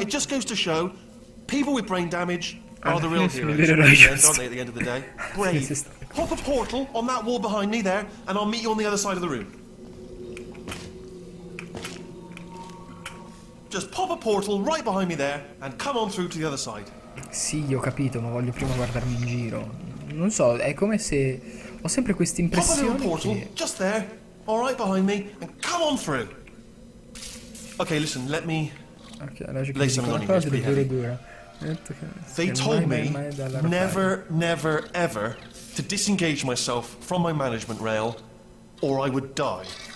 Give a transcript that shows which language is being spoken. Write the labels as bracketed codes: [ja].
[en] It just goes to show people with brain damage are the real heroes, aren't they, at the end of the day? Brave. Pop a portal on that wall behind me there, and I'll meet you on the other side of the room. Just pop a portal right behind me there, and come on through to the other side. [it] Sì, ho capito, ma voglio prima guardarmi in giro. Non so, è come se... Ho sempre questa impressione che... [en] Pop a portal, just there. All right, behind me, and come on through. Okay, listen, let me lay something on you. It's pretty heavy. They told me never, never, ever to disengage myself from my management rail or I would die.